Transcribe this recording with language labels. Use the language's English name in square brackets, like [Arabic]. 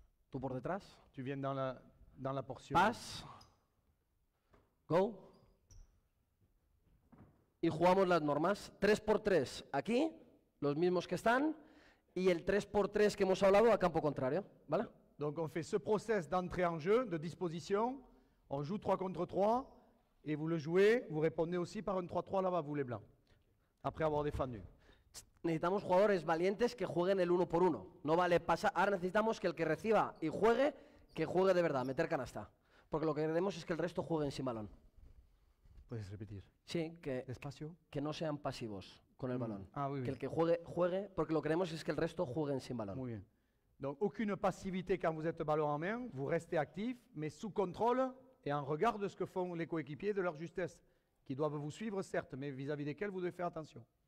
[Spanish] Tú por detrás. [French] Tu viens dans la portion. [English] Pass. Go. [Spanish] Y jugamos las normas. 3x3 aquí, los mismos que están, y el 3x3 que hemos hablado a campo contrario, ¿vale? [French] Donc on fait ce process d'entrée en jeu, de disposition, on joue 3 contre 3, et vous le jouez, vous répondez aussi par un 3-3 là-bas, vous les blancs, après avoir défendu. [Spanish] Necesitamos jugadores valientes que jueguen el 1x1, no vale pasar, ahora necesitamos que el que reciba y juegue, que juegue de verdad, meter canasta, porque lo que queremos es que el resto juegue sin balón. ¿Puedes repetir? Sí, que, despacio. Que no sean pasivos con el balón. [French] Ah, oui, [Spanish] que bien. El que juegue, juegue, porque lo que queremos es que el resto jueguen sin balón. Muy bien. [French] Donc, aucune passivité quand vous êtes ballon en main, vous restez actif, mais sous contrôle et en regard de ce que font les coéquipiers, de leur justesse, qui doivent vous suivre, certes, mais vis-à-vis desquels vous devez faire attention.